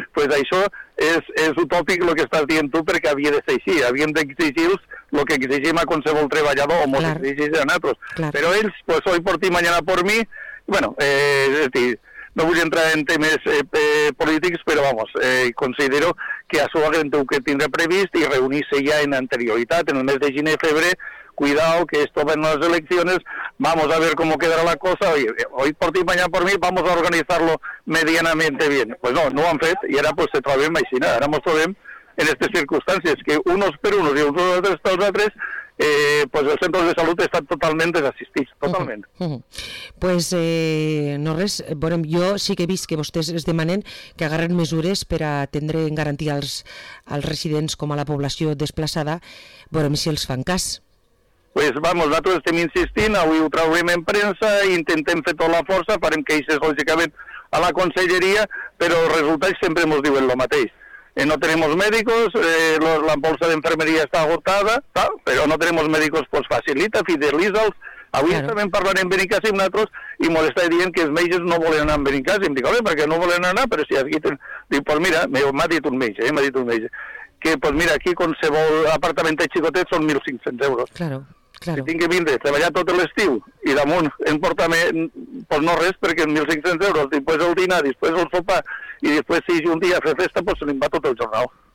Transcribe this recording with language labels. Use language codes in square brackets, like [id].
[ca] Pues això és utòpic el que estàs dient tu, perquè havia de ser així, havíem d'exigir-los el que exigim a qualsevol treballador o mos exigeix a nosaltres. Però ells, pues, [es] hoy por ti, mañana por mí, [ca] bueno, no vull entrar en temes polítics, però vamos, considero que això haguem de tindre previst i reunir-se ja en anterioritat, en el mes de gener, febrer, [es] cuidado, que esto va en las elecciones, vamos a ver cómo quedará la cosa, oye, hoy por ti, mañana por mí, vamos a organizarlo medianamente bien. [ca] Pues no, no ho han fet, i ara pues se trobem així, nada, ara mos trobem en aquestes circumstàncies, que uns per uns i uns per uns, pues els centres de salut estan totalment desassistits, totalment. Pues no res, bueno, jo sí que he vist que vostès es demanen que agarren mesures per a atendre en garantia als residents com a la població desplaçada, veurem si els fan cas. Pues vamos, nosaltres estem insistint, avui ho traurem en premsa, intentem fer tota la força, farem queixes lògicament a la conselleria, però els resultats sempre ens diuen el mateix. [es] No tenemos médicos, la bolsa de enfermería está agotada, ¿tá? Pero no tenemos médicos, pues facilita, fideliza'ls. [ca] Avui claro. También parlarem en Benicàssim nosaltres i molesta i dient que els metges no volen anar en Benicàssim. Dic, home, perquè no volen anar, però si aquí... Dic, pues mira, m'ha dit un metge, m'ha dit un metge, que pues mira, aquí qualsevol apartament de xicotet són 1.500 euros. [es] Claro. [ca] Que tinc que vindre, treballar tot l'estiu i damunt, en portar-me, pues no res, perquè 1.500 euros, després el dinar, després el sopar, i després si un dia fa festa, pues se li va tot el jornal.